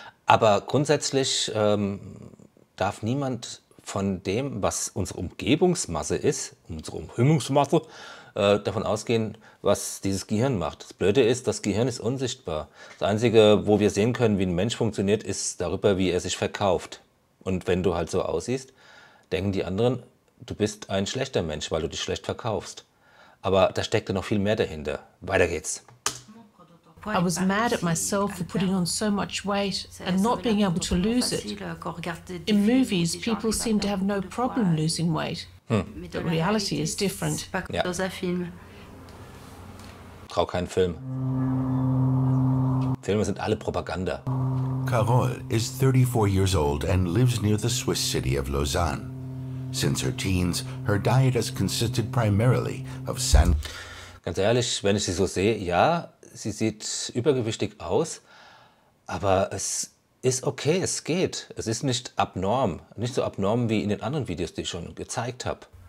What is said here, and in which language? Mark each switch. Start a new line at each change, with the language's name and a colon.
German: Aber grundsätzlich darf niemand von dem, was unsere Umgebungsmasse ist, unsere Umhüllungsmasse, davon ausgehen, was dieses Gehirn macht. Das Blöde ist, das Gehirn ist unsichtbar. Das Einzige, wo wir sehen können, wie ein Mensch funktioniert, ist darüber, wie er sich verkauft. Und wenn du halt so aussiehst, denken die anderen, du bist ein schlechter Mensch, weil du dich schlecht verkaufst. Aber da steckt noch viel mehr dahinter. Weiter geht's.
English: I was mad at myself for putting on so much weight and not being able to lose it. In movies, people seem to have no problem losing weight. The reality is different.
German: Ja. Trau keinen Film. Filme sind alle Propaganda.
English: Carole is 34 years old and lives near the Swiss city of Lausanne. Since her teens, her diet has consisted primarily of sand.
German: Ganz ehrlich, wenn ich sie so sehe, ja, sie sieht übergewichtig aus, aber es ist okay, es geht. Es ist nicht abnorm, nicht so abnorm wie in den anderen Videos, die ich schon gezeigt habe.